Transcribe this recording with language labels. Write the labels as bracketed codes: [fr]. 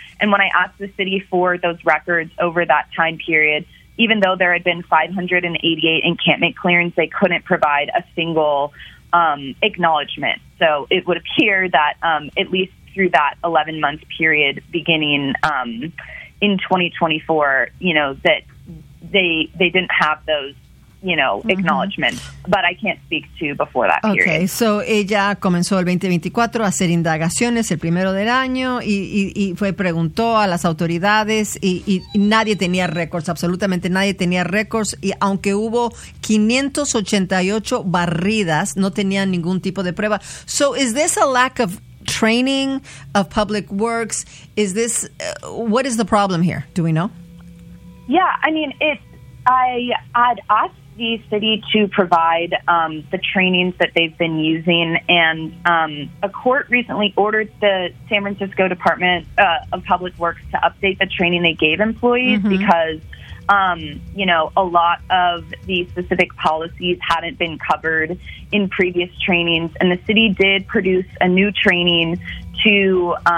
[en] And when I asked the city for those records over that time period, even though there had been 588 encampment clearings, they couldn't provide a single acknowledgment. So it would appear that at least through that 11-month period beginning in 2024, you know, that they didn't have those, acknowledgement, but I can't speak to before that period. Okay, so [es] ella comenzó el 2024 a hacer indagaciones el primero del año y fue preguntó a las autoridades y nadie tenía récords, absolutamente nadie tenía récords, y aunque hubo 588 barridas, no tenían ningún tipo de prueba. [en] So is this a lack of training of public works? Is this, what is the problem here? Do we know? I'd ask the city to provide the trainings that they've been using, and a court recently ordered the San Francisco Department of Public Works to update the training they gave employees because a lot of the specific policies hadn't been covered in previous trainings, and the city did produce a new training to